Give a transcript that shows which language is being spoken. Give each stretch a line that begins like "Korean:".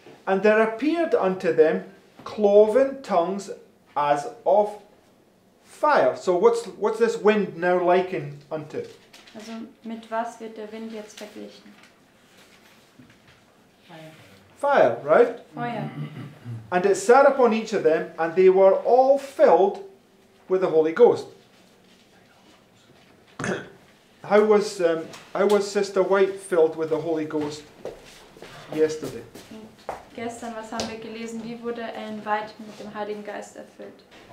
English: And there appeared unto them cloven tongues as of fire. So what's this wind now likened unto?
German: Also mit was wird der Wind jetzt verglichen?
English: Fire, right?
German: Feuer.
English: And it sat upon each of them, and they were all filled with the Holy Ghost. How was Sister White filled with the Holy Ghost yesterday?
German: Und gestern, was haben wir gelesen? Wie wurde Ellen White mit dem Heiligen Geist erfüllt?